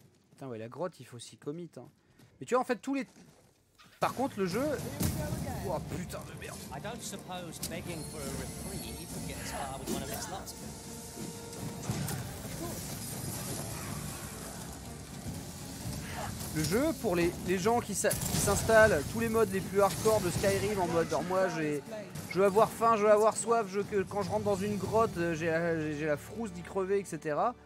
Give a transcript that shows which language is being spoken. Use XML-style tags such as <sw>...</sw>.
<fr>Putain ouais la grotte il faut s'y commit hein. Mais tu vois, en fait, tous les... Par contre, le jeu... Oh, putain de merde.</fr> <en>I don't suppose begging for a reprieve gets far with one of its lots.</en> <fr>Le jeu, pour les gens qui s'installent, tous les modes les plus hardcore de Skyrim, en mode, genre, moi, j'ai... Je veux avoir faim, je veux avoir soif, je que quand je rentre dans une grotte, j'ai la frousse d'y crever, etc.</fr>